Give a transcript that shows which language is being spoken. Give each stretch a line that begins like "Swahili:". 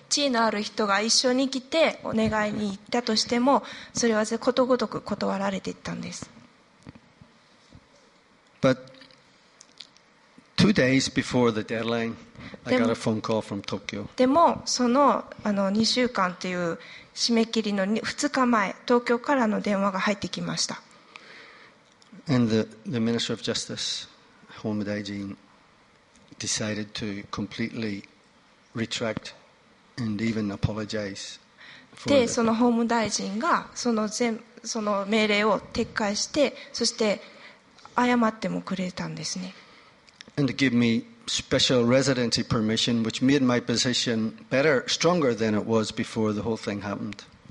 Japanese: 地位のある人が一緒に来てお願いに行ったとしてもそれはことごとく断られていったんです。
English: But two days before the deadline, I got a phone call from Tokyo.
Japanese: でもその2週間という締め切りの2日前、東京からの電話が入ってきました。
English: And the Minister of Justice, 法務大臣 decided to completely retract and even apologize
Japanese: for で、その法務大臣がその命令を撤回して、そして謝ってもくれたんですね。
English: And to give me special residency permission, which made my position better, stronger than it was before the whole thing happened.